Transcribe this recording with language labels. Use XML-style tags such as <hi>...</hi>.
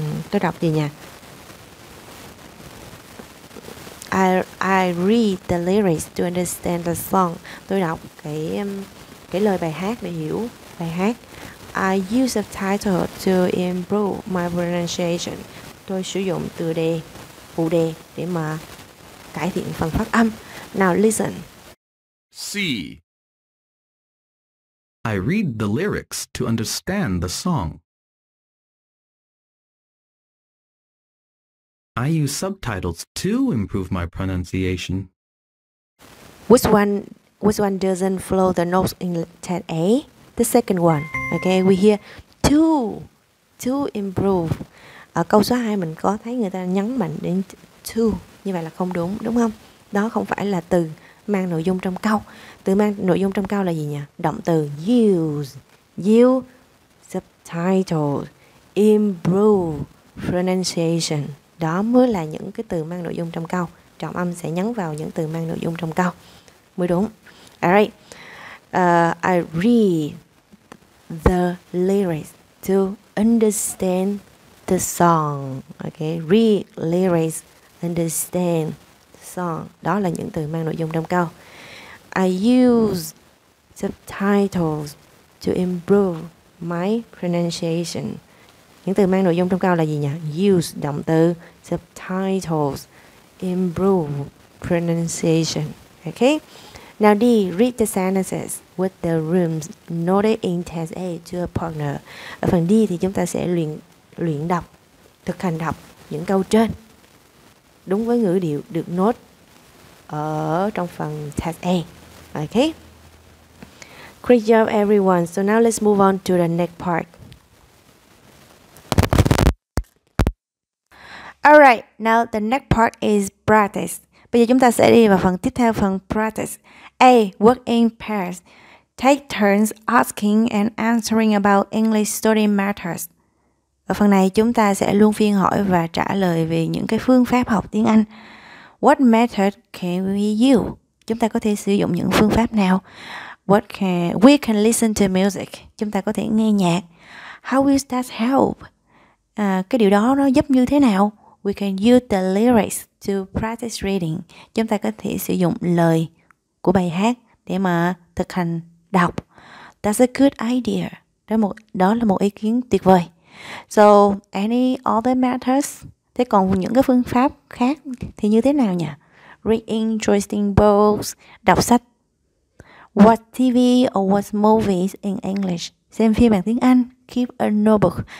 <vi>Tôi đọc gì nhỉ?</vi> <en>I read the lyrics to understand the song.</en> <vi>Tôi đọc cái lời bài hát để hiểu bài hát.</vi> <en>I use a title to improve my pronunciation.</en> <vi>Tôi sử dụng từ đề, phụ đề để mà cải thiện phần phát âm.</vi> <en>Now listen. C. I read the lyrics to understand the song. I use subtitles to improve my pronunciation. Which one Which one doesn't follow the notes in letter A? The second one. Okay, we hear to improve.</en> <vi>Ở câu số 2 mình có thấy người ta nhấn mạnh đến to, như vậy là không đúng, đúng không? Đó không phải là từ mang nội dung trong câu. Từ mang nội dung trong câu là gì nhỉ? Động từ</vi> <en>use. Use subtitles, improve pronunciation.</en> <vi>Đó mới là những cái từ mang nội dung trong câu. Trọng âm sẽ nhấn vào những từ mang nội dung trong câu mới đúng.</vi> <en>Alright, I read the lyrics to understand the song. Okay, read lyrics, understand song.</en> <vi>Đó là những từ mang nội dung trong câu.</vi> <en>I use subtitles to improve my pronunciation.</en> <vi>Những từ mang nội dung trong câu là gì nhỉ?</vi> <en>Use</en> <vi>động từ,</vi> <en>subtitles, improve pronunciation. Okay. Now D, read the sentences with the rooms noted in test A to a partner.</en> <vi>Ở phần D thì chúng ta sẽ luyện đọc, thực hành đọc những câu trên đúng với ngữ điệu được note ở trong phần test A.</vi> <en>Okay. Great job everyone. So now let's move on to the next part. Alright, now the next part is practice.</en> <vi>Bây giờ chúng ta sẽ đi vào phần tiếp theo, phần practice.</vi> <en>A. Work in pairs. Take turns asking and answering about English study matters.</en> <vi>Ở phần này chúng ta sẽ luôn phiên hỏi và trả lời về những cái phương pháp học tiếng Anh.</vi> <en>What method can we use?</en> <vi>Chúng ta có thể sử dụng những phương pháp nào?</vi> <en>We can listen to music.</en> <vi>Chúng ta có thể nghe nhạc.</vi> <en>How will that help?</en> <vi>Cái điều đó nó giúp như thế nào? We can use the lyrics to practice reading. Chúng ta có thể sử dụng lời của bài hát để mà thực hành đọc.</vi> <en>That's a good idea.</en> <vi>Đó là một ý kiến tuyệt vời.</vi> <en>So, any other methods?</en> <vi>Thế còn những cái phương pháp khác thì như thế nào nhỉ?</vi> <en>Read interesting books.</en> <vi>Đọc sách.</vi> <en>Watch TV or watch movies in English.</en> <vi>Xem phim bằng tiếng Anh.</vi> <en>Keep a notebook.</en>